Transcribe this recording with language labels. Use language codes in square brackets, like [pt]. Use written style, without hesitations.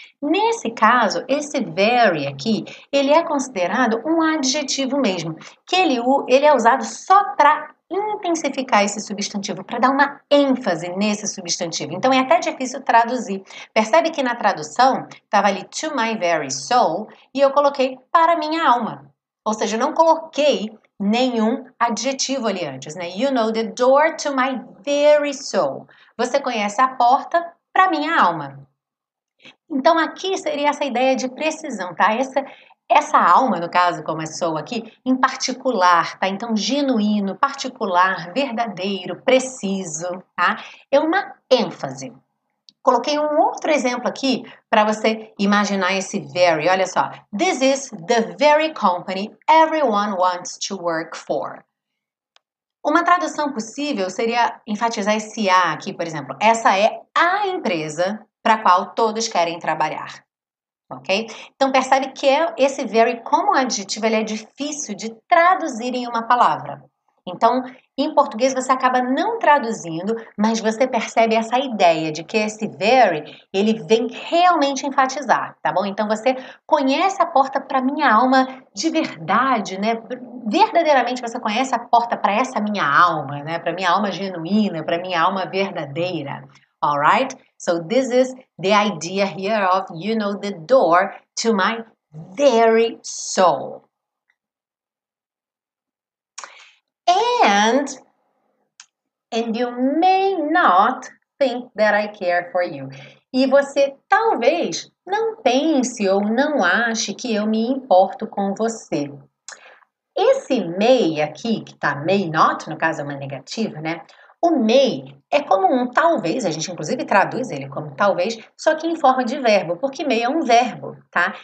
[pt] Nesse caso, esse very aqui, ele é considerado um adjetivo mesmo, que ele é usado só para intensificar esse substantivo, para dar uma ênfase nesse substantivo. Então é até difícil traduzir. Percebe que na tradução estava ali [en] to my very soul [pt] e eu coloquei para minha alma. Ou seja, eu não coloquei nenhum adjetivo ali antes, né? [en] You know the door to my very soul. [pt] Você conhece a porta para minha alma. Então aqui seria essa ideia de precisão, tá? Essa alma, no caso, como é soul aqui, em particular, tá? Então, genuíno, particular, verdadeiro, preciso, tá? É uma ênfase. Coloquei um outro exemplo aqui para você imaginar esse very. Olha só. [en] This is the very company everyone wants to work for. [pt] Uma tradução possível seria enfatizar esse A aqui, por exemplo. Essa é a empresa para qual todos querem trabalhar. Ok? Então percebe que esse very como adjetivo ele é difícil de traduzir em uma palavra. Então, em português você acaba não traduzindo, mas você percebe essa ideia de que esse very ele vem realmente enfatizar, tá bom? Então você conhece a porta para minha alma de verdade, né? Verdadeiramente você conhece a porta para essa minha alma, né? Para minha alma genuína, para minha alma verdadeira. [en] All right? So this is the idea here of you know the door to my very soul. And you may not think that I care for you. [pt] E você talvez não pense ou não ache que eu me importo com você. Esse may aqui, que tá may not, no caso é uma negativa, né? O may é como um talvez, a gente inclusive traduz ele como talvez, só que em forma de verbo, porque may é um verbo, tá?